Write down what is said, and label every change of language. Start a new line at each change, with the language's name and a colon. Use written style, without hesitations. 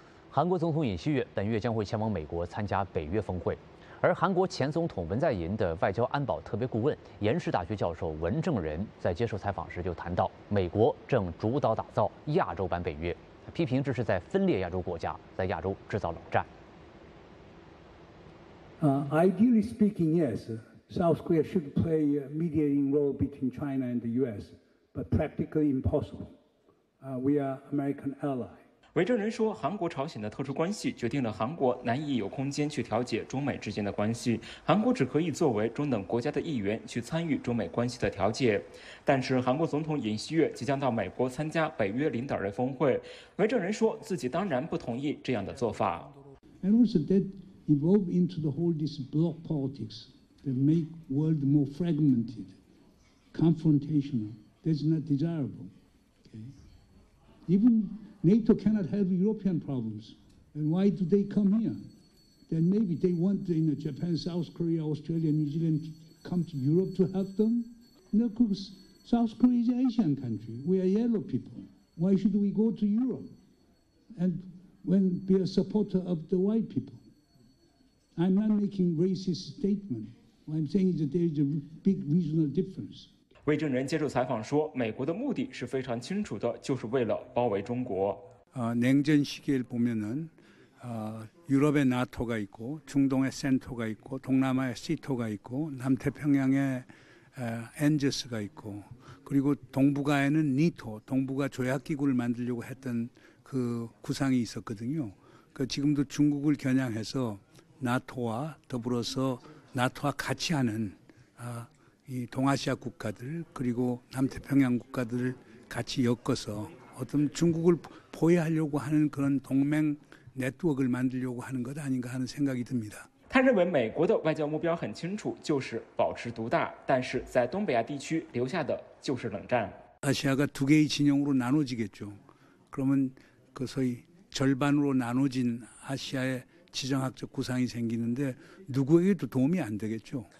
Chinese: 韩国总统尹锡悦本月将会前往美国参加北约峰会，而韩国前总统文在寅的外交安保特别顾问延世大学教授文正仁在接受采访时就谈到，美国正主导打造亚洲版北约，批评这是在分裂亚洲国家，在亚洲制造冷战。
English: Ideally speaking, yes, South Korea should play a mediating role between China and the U.S., but practically impossible. We are American allies.
Chinese: 韦正仁说，韩国朝鲜的特殊关系决定了韩国难以有空间去调解中美之间的关系，韩国只可以作为中等国家的一员去参与中美关系的调解。但是韩国总统尹锡悦即将到美国参加北约领导人峰会，韦正仁说自己当然不同意这样的做法。
English: And also that evolve into the whole this block politics that make world more fragmented, confrontational. That's not desirable. Okay. Even NATO cannot have European problems. And why do they come here? Then maybe they want the, you know, Japan, South Korea, Australia, New Zealand to come to Europe to help them. No, because South Korea is an Asian country. We are yellow people. Why should we go to Europe? And when be a supporter of the white people. I'm not making racist statement. What I'm saying is that there is a big regional difference.
Chinese: 韦正仁接受采访说，美国的目的是非常清楚的，就是为了包围中国。
Korean: 냉전 시기를 보면은 유럽의 나토가 있고 중동의 센터가 있고 동남아의 시토가 있고 남태평양의 엔저스가 있고 그리고 동북아에는 니토, 동북아 조약기구를 만들려고 했던 그 구상이 있었거든요. 그 지금도 중국을 겨냥해서 나토와 더불어서 나토와 같이 하는 이 동아시아 국가들 그리고 남태평양 국가들을 같이 엮어서 어떤 중국을 보호하려고 하는 그런 동맹 네트워크를 만들려고 하는 것 아닌가 하는 생각이 듭니다.
Chinese: 他认为美国的外交目标很清楚，就是保持独大，但是在东北亚地区留下的就是冷战。
Korean: 아시아가두개의진영으로나눠지겠죠그러면그소위절반으로나눠진아시아의지정학적구상이생기는데누구에게도도움이안되겠죠